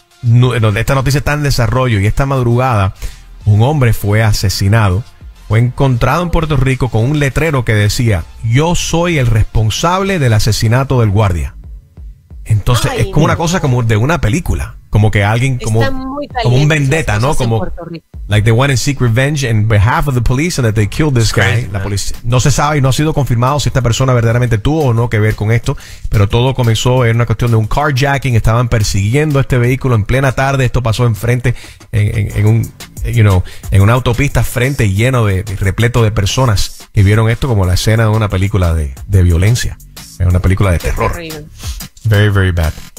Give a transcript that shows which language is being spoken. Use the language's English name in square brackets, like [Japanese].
[Spanish] No, esta noticia está en desarrollo y esta madrugada un hombre fue asesinado. Fue encontrado en Puerto Rico con un letrero que decía: yo soy el responsable del asesinato del guardia. Entonces, ay, es como una cosa como de una película, como que alguien como un vendetta, ¿no? [English] Como like they went and seek revenge in behalf of the police and that they killed this guy. [Spanish] La policía no se sabe y no ha sido confirmado si esta persona verdaderamente tuvo o no que ver con esto, pero todo comenzó en una cuestión de un carjacking. Estaban persiguiendo este vehículo en plena tarde. Esto pasó enfrente en una autopista, frente lleno de repleto de personas que vieron esto como la escena de una película de violencia, es una película de terror. [English] Very, very bad.